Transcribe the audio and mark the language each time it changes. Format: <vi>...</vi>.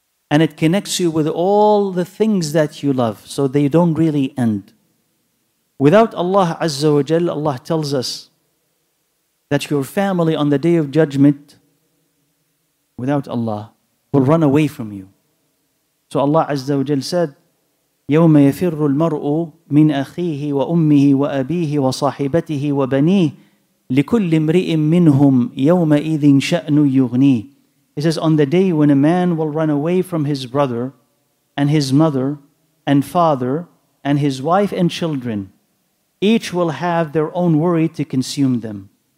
<en>And it connects you with all the things that you love, so they don't really end. Without Allah Azza wa Jal, Allah tells us that your family on the Day of Judgment, without Allah, will run away from you. So Allah Azza wa Jal said,</en> <ar>يَوْمَ يَفِرُّ الْمَرْءُ مِنْ أَخِيهِ وَأُمِّهِ وَأَبِيهِ وَصَاحِبَتِهِ وَبَنِيهِ لِكُلِّ امْرِئٍ مِّنْهُمْ يَوْمَئِذٍ شَأْنٌ يُغْنِيهِ.</ar> <en>It says, on the day when a man will run away from his brother and his mother and father and his wife and children, each will have their own worry to consume them.</en>